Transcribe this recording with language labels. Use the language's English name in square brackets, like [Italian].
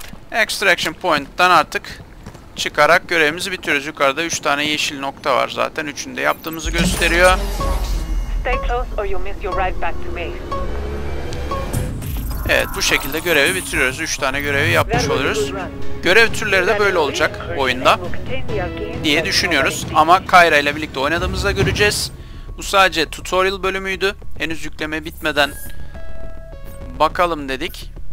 [Turkish] Extraction Point'tan artık çıkarak görevimizi bitiriyoruz. Yukarıda 3 tane yeşil nokta var zaten. Üçünü de yaptığımızı gösteriyor. [English] Stay close or you'll miss your ride back to base. [Turkish] Evet, bu şekilde görevi bitiriyoruz. 3 tane görevi yapmış oluyoruz. Görev türleri de böyle olacak oyunda diye düşünüyoruz. Ama Kyra ile birlikte oynadığımızda göreceğiz. Bu sadece tutorial bölümüydü. Henüz yükleme bitmeden bakalım dedik.